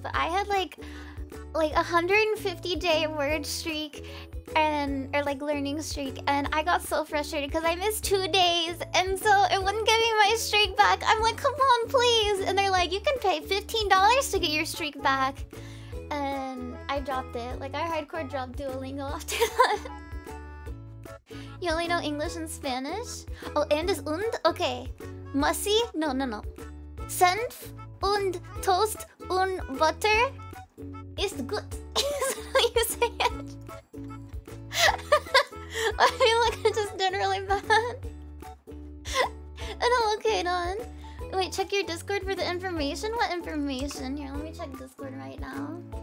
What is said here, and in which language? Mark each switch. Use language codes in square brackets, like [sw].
[en] But I had like 150 day word streak and or like learning streak, and I got so frustrated because I missed 2 days, and so it wouldn't give me my streak back. I'm like, come on, please. And they're like, you can pay $15 to get your streak back. And I dropped it. Like, I hardcore dropped Duolingo after that. You only know English and Spanish? Oh, and is und? Okay. Musi? No. [de] Senf und toast und butter ist gut. [en] Is that how you say it? I feel like I just did really bad. And I'm okay, Don. Wait, check your Discord for the information? What information? Here, let me check Discord right now.